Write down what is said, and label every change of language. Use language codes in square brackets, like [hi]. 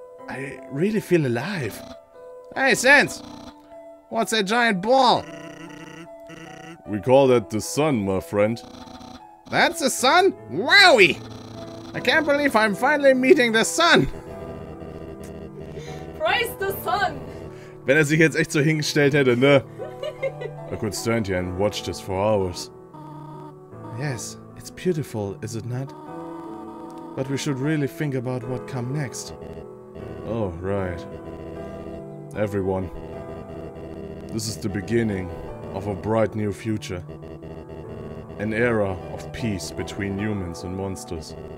[en] I really feel alive. Hey, Sans! What's that giant ball? We call that the sun, my friend. That's the sun? Wowie! I can't believe I'm finally meeting the sun! Praise the sun! [de] Wenn sich jetzt echt so hingestellt hätte, ne? [en] I could stand here and watch this for hours. Yes, it's beautiful, is it not? But we should really think about what comes next. Oh, right. Everyone. This is the beginning of a bright new future. An era of peace between humans and monsters.